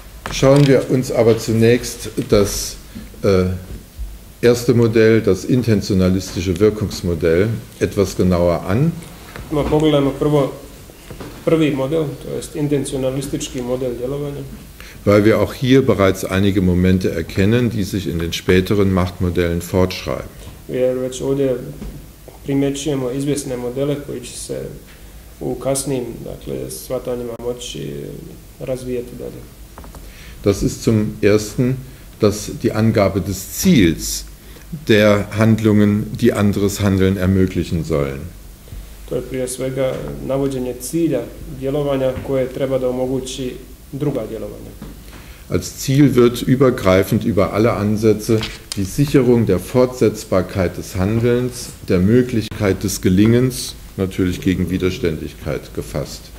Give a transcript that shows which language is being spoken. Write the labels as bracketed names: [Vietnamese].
[German] Schauen wir uns aber zunächst das erste Modell, das intentionalistische Wirkungsmodell, etwas genauer an. [Croatian] Mal pogledajmo prvo prvi model, to jest intencionalistički model djelovanja. [German] Weil wir auch hier bereits einige Momente erkennen, die sich in den späteren Machtmodellen fortschreiben. [Croatian] Wir već ovdje primjećujemo izvjesne modele koji će se u kasnijim, dakle, shvatanjima moći razvijati dalje. [German] Das ist zum Ersten, dass die Angabe des Ziels der Handlungen, die anderes Handeln ermöglichen sollen. [Croatian] To je prije svega navođenje cilja djelovanja koje treba da omogući druga djelovanja. [German] Als Ziel wird übergreifend über alle Ansätze die Sicherung der Fortsetzbarkeit des Handelns, der Möglichkeit des Gelingens, natürlich gegen Widerständigkeit gefasst.